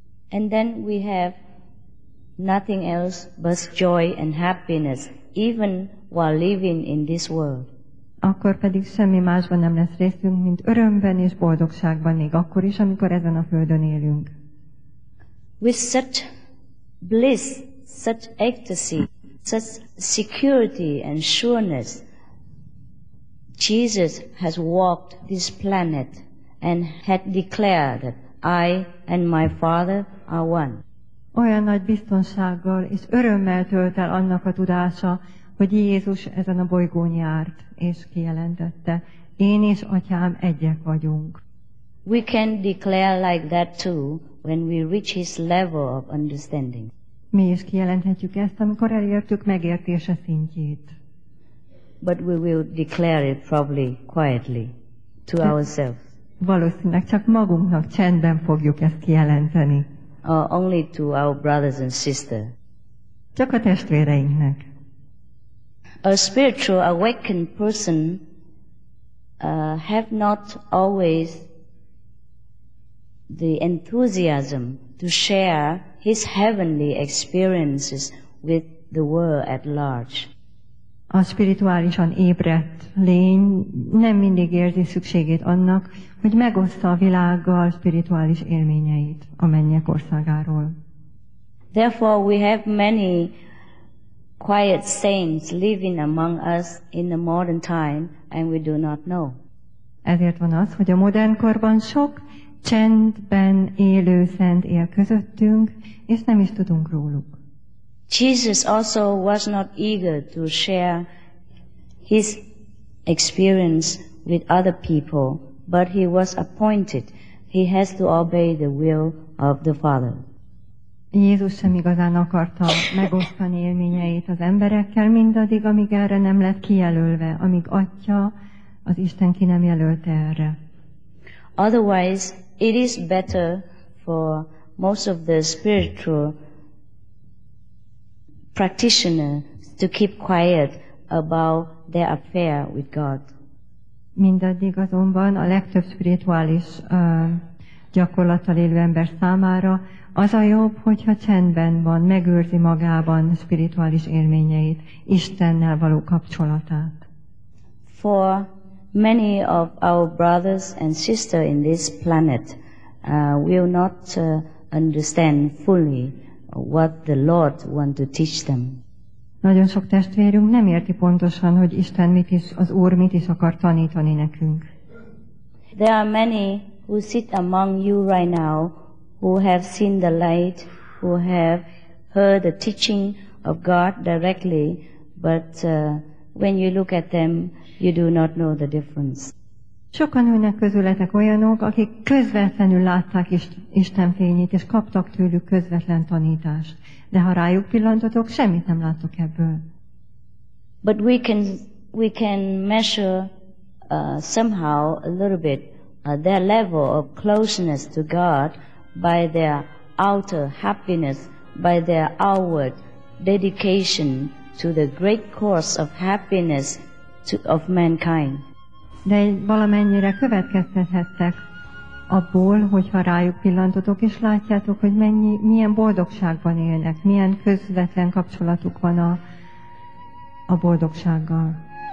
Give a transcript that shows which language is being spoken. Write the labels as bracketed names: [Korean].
[English] And then we have nothing else but joy and happiness, even while living in this world. [Hungarian] Akkor pedig semmi másban nem lesz részünk, mint örömben és boldogságban, még akkor is, amikor ezen a földön élünk. [English] With such bliss, such ecstasy, such security and sureness, Jesus has walked this planet and had declared that I and my Father are one. [Hungarian] Olyan nagy biztonsággal és örömmel tölt el annak a tudása, hogy Jézus ezen a bolygón járt, és kijelentette, én és Atyám egyek vagyunk. [English] We can declare like that too when we reach his level of understanding. [Hungarian] Mi is kijelenthetjük ezt, amikor elértük megértése szintjét. [English] But we will declare it probably quietly to ourselves. [Hungarian] Valószínűleg csak magunknak csendben fogjuk ezt kijelenteni. [English] Only to our brothers and sisters. [Hungarian] Csak a testvéreinknek. [English] A spiritual awakened person have not always the enthusiasm to share his heavenly experiences with the world at large. [Hungarian] A spirituálisan ébredt lény nem mindig érzi szükségét annak, hogy megoszta a világgal spirituális élményeit a mennyek országáról. [English] Therefore we have many quiet saints living among us in the modern time and we do not know. [Hungarian] Ezért van az, hogy a modern korban sok csendben élő szent él közöttünk, és nem is tudunk róluk. [English] Jesus also was not eager to share his experience with other people, but he was appointed. He has to obey the will of the Father. [Hungarian] Jézus sem igazán akarta megosztani élményeit az emberekkel, mindaddig, amíg erre nem lett kijelölve, amíg Atya, az Isten ki nem jelölte erre. [English] Otherwise, it is better for most of the spiritual practitioners to keep quiet about their affair with God. [Hungarian] Mindaddig azonban a legtöbb spirituális gyakorlattal élő ember számára az a jobb, hogyha csendben van, megőrzi magában spirituális élményeit, Istennel való kapcsolatát. [English] For many of our brothers and sisters in this planet will not understand fully what the Lord want to teach them. [Hungarian] Nagyon sok testvérünk nem érti pontosan, hogy Isten mit is, az Úr mit is akar tanítani nekünk. [English] There are many who sit among you right now who have seen the light, who have heard the teaching of God directly, but when you look at them, you do not know the difference. [Hungarian] Sokan ülnek közületek olyanok, akik közvetlenül látták Isten fényét, és kaptak tőlük közvetlen tanítást. De ha rájuk pillantotok, semmit nem láttok ebből. [English] But we can measure somehow a little bit their level of closeness to God by their outer happiness, by their outward dedication to the great cause of happiness of mankind. [Hungarian] De valamennyire következtethettek abból, hogyha rájuk pillantotok, és látjátok, hogy mennyi, milyen boldogságban élnek, milyen közvetlen kapcsolatuk van a boldogsággal.